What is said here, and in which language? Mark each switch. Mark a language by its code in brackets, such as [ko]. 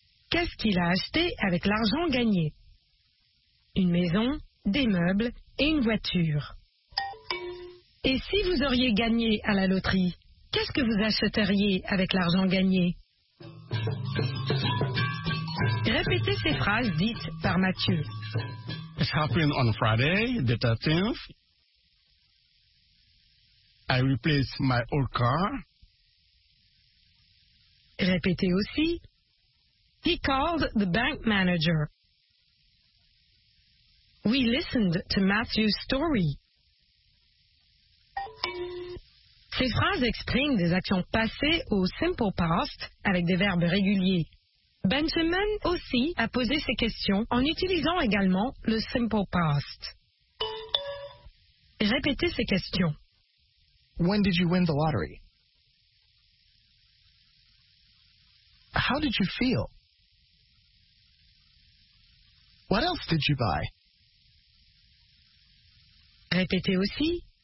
[fr] Qu'est-ce qu'il a acheté avec l'argent gagné? Une maison, des meubles et une voiture. Et si vous auriez gagné à la loterie, qu'est-ce que vous achèteriez avec l'argent gagné? Répétez ces phrases dites par Mathieu. [en] It happened on Friday, the 13th. I replaced my old car. [fr] Répétez aussi. [en] He called the bank manager. We listened to Matthew's story. [fr] Ces phrases expriment des actions passées au simple past avec des verbes réguliers. Benjamin aussi a posé ces questions en utilisant également le simple past. Répétez ces questions. [en] When did you win the lottery? How did you feel? What else did you buy? [fr] Répétez aussi.